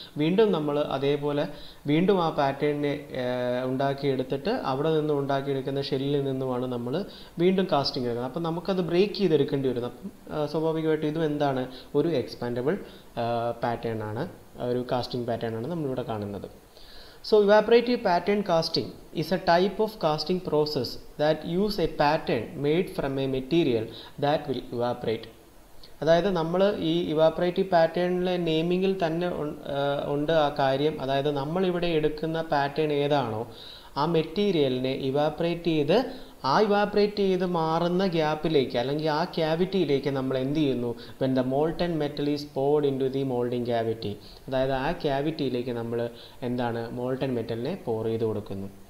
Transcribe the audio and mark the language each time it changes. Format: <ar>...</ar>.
<ml>വീണ്ടും നമ്മൾ അതേപോലെ വീണ്ടും ആ പാറ്റേണിനെ ഉണ്ടാക്കിയെടുത്തിട്ട് അവിടെ നിന്ന് ഉണ്ടാക്കിയെടുക്കുന്ന ഷെല്ലിൽ നിന്നുമാണ് നമ്മൾ വീണ്ടും കാസ്റ്റിംഗ് എടുക്കുന്നത്. അപ്പം നമുക്കത് ബ്രേക്ക് ചെയ്തെടുക്കേണ്ടി വരുന്നു. അപ്പം സ്വാഭാവികമായിട്ടും ഇതും എന്താണ്, ഒരു എക്സ്പാൻഡബിൾ പാറ്റേൺ ആണ്, ഒരു കാസ്റ്റിംഗ് പാറ്റേൺ ആണ് നമ്മളിവിടെ കാണുന്നത്.</ml> <en>So evaporative pattern casting is a type of casting process that use a pattern made from a material that will evaporate.</en> <ml>അതായത് നമ്മൾ ഈ ഇവാപറേറ്റീവ് പാറ്റേണിലെ നെയിമിങ്ങിൽ തന്നെ ഉണ്ട് ആ കാര്യം. അതായത് നമ്മളിവിടെ എടുക്കുന്ന പാറ്റേൺ ഏതാണോ ആ മെറ്റീരിയലിനെ ഇവാപറേറ്റ് ചെയ്ത് ആ ഇവാപറേറ്റ് ചെയ്ത് മാറുന്ന ഗ്യാപ്പിലേക്ക് അല്ലെങ്കിൽ ആ ക്യാവിറ്റിയിലേക്ക് നമ്മൾ എന്ത് ചെയ്യുന്നു,</ml> <en>when the molten metal is poured into the moulding cavity,</en> <ml>അതായത് ആ ക്യാവിറ്റിയിലേക്ക് നമ്മൾ എന്താണ് മോൾട്ടൻ മെറ്റലിനെ പോർ ചെയ്ത് കൊടുക്കുന്നു.</ml>